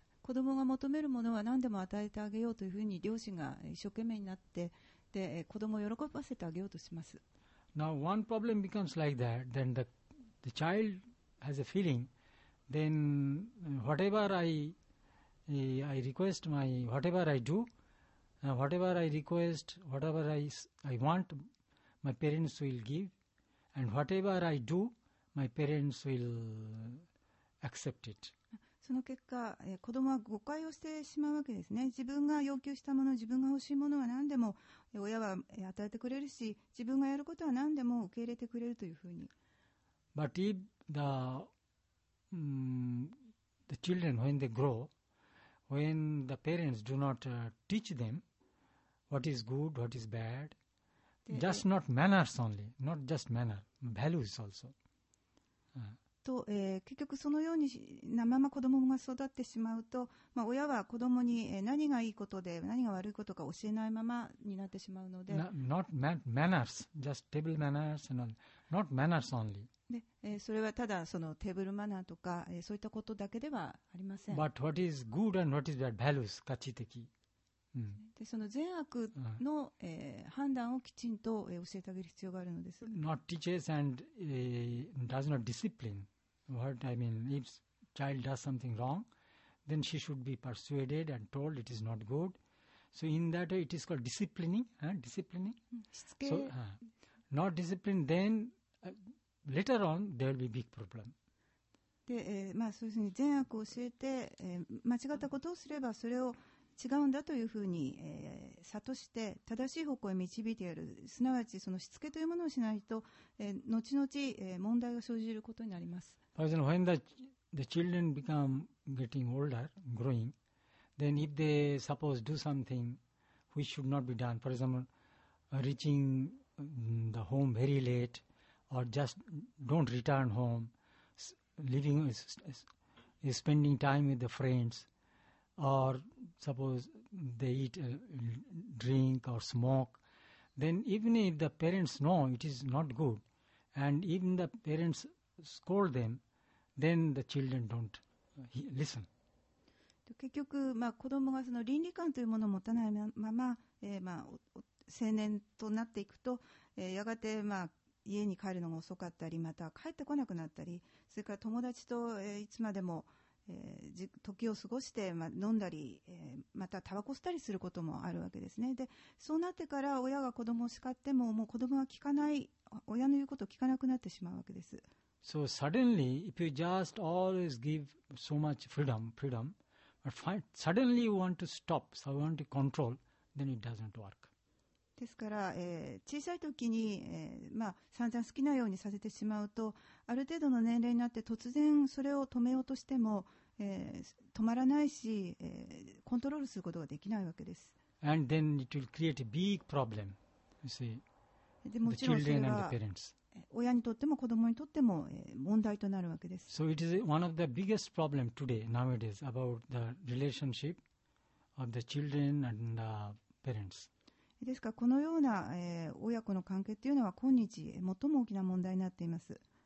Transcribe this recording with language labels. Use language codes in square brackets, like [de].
[ja] 子供が求めるものは何でも与えてあげようというふうに両親が一生懸命になってで子供を喜ばせてあげようとします。 [en] Now one problem becomes like that, then the child has a feeling, then whatever I request my, whatever I do, whatever I request, whatever I want, my parents will give, and whatever I do, my parents will accept it. [ja] その結果、子供は誤解をしてしまうわけですね。自分が要求したもの、自分が欲しいものは何でも親は与えてくれるし、自分がやることは何でも受け入れてくれるというふうに。 [en] But if the children, when they grow, when the parents do not teach them what is good, what is bad, just not manners only, not just manner, values also. [ja] と結局そのようになまま子供が育ってしまうと、まあ、親は子供に何がいいことで何が悪いことか教えないままになってしまうので、 [en] not manners, just table manners and all. Not manners only. [ja] で、それはただそのテーブルマナーとか、そういったことだけではありません。 [en] But what is good and what is bad values, [ja] 価値的、でその善悪の、判断をきちんと、教えてあげる必要があるのです。 [en] Not teaches and does not discipline. What I mean, if child does something wrong, then she should be persuaded and told it is not good. So in that way, it is called disciplining. Disciplining. [ja] しつけ。 [en] So, not discipline, then later on, there will be big problem. [ja] で、まあ、そういうふうに善悪を教えて、間違ったことをすればそれを違うんだというふうに、悟して正しい方向へ導いてやる、すなわちそのしつけというものをしないと、後々、問題が生じることになります。 [en] For example, when the children become getting older, growing, then if they suppose do something which should not be done, for example, reaching the home very late or just don't return home, living is spending time with the friendsOr suppose they eat, drink or smoke, then even if the parents know it is not good, and even the parents scold them, then the children don't listen. [ja] 結局、まあ、子供がその倫理観というものを持たないまま、まあ、青年となっていくと、やがて、まあ、家に帰るのが遅かったり、また帰ってこなくなったり、それから友達と、いつまでも時を過ごして、まあ、飲んだり、またタバコ吸ったりすることもあるわけですね。でそうなってから親が子供を叱ってももう子供は聞かない、親の言うことを聞かなくなってしまうわけです。 [en] So suddenly if you just always give so much freedom but suddenly you want to stop, so you want to control, then it doesn't work. [ja] ですから、小さい時に、まあ、散々好きなようにさせてしまうと、ある程度の年齢になって突然それを止めようとしても、止まらないし、コントロールすることができないわけです。 [en] And then it will create a big problem, you see. [ja] でもちろんそれは親にとっても子どもにとっても問題となるわけです。 [en] So it is one of the biggest problem today, nowadays, about the relationship of the children and the parents. [ja] ですからこのような親子の関係というのは今日最も大きな問題になっています。